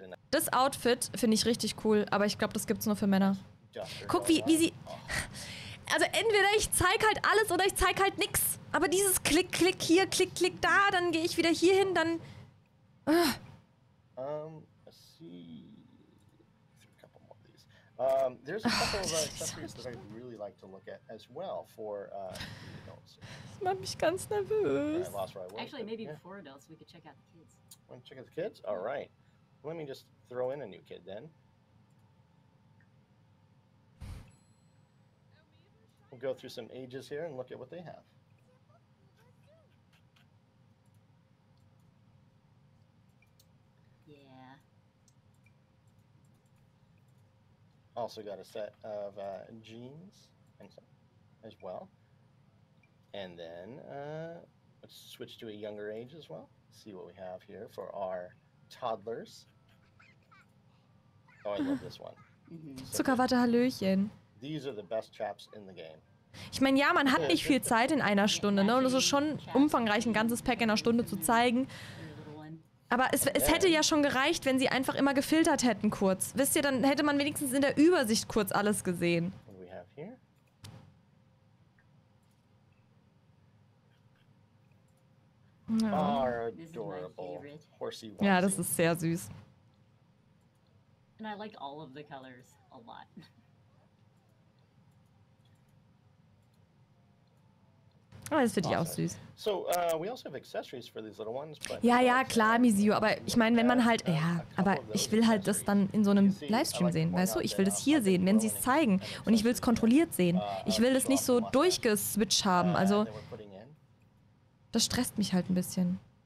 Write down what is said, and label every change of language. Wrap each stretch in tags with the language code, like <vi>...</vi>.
<de>Das Outfit finde ich richtig cool, aber ich glaube, das gibt's nur für Männer. Guck, wie sie... Also entweder ich zeig halt alles oder ich zeig halt nix. Aber dieses Klick, Klick hier, Klick, Klick da, dann gehe ich wieder hier hin, dann...</de> <en>Let's see. A couple more of these. There's a couple of accessories that I really like to look at as well for adults.</en> <de>Das macht mich ganz nervös.</de> <en>I lost where I was, actually, maybe yeah. Before adults, we could check out the kids. Want to check out the kids? All right. Let me just throw in a new kid then. We'll go through some ages here and look at what they have. Also got a set of jeans and so as well. And then let's switch to a younger age as well. See what we have here for our toddlers. Oh, I love this one. Mm-hmm.</en> <de>Zuckerwatte Hallöchen.</de> <en>These are the best traps in the game.</en> <de>Ich meine, ja, man hat nicht viel Zeit in einer Stunde, ne? Und es ist schon umfangreich, ein ganzes Pack in einer Stunde zu zeigen. Aber es hätte ja schon gereicht, wenn sie einfach immer gefiltert hätten kurz. Wisst ihr, dann hätte man wenigstens in der Übersicht kurz alles gesehen.</de> <en>What do we have here?</en> <de>Ja.</de> <en>Our adorable horsey onesie.</en> <de>Ja, das ist sehr süß.</de> <en>And I like all of the colors a lot.</en> <de>Oh, das finde ich auch süß.</de> <en>So, we also have accessories for these little ones, but</en> <de>ja, ja, klar, Misio, aber ich meine, wenn man halt, ja, aber ich will halt das dann in so einem Livestream sehen, weißt du? Ich will das hier sehen, wenn sie es zeigen. Und ich will es kontrolliert sehen. Ich will es nicht so durchgeswitcht haben, also das stresst mich halt ein bisschen.</de>